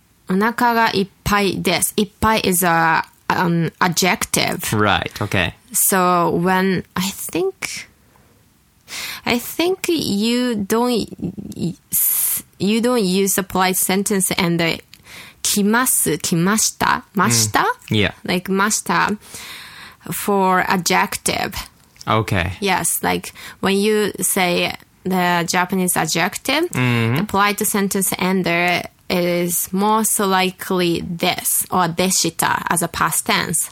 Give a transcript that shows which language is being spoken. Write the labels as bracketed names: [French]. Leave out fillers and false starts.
[Japanese] お腹がいっぱいです.いっぱい [English] is a adjective. Right. Okay. So when I think you don't use a polite sentence end. [Japanese] きます、きました、ました? Mm. Yeah. [English] Like, [Japanese] ました [English] for adjective. Okay. Yes, like, when you say the Japanese adjective, mm-hmm. the polite sentence ender is most likely this, or deshita, as a past tense.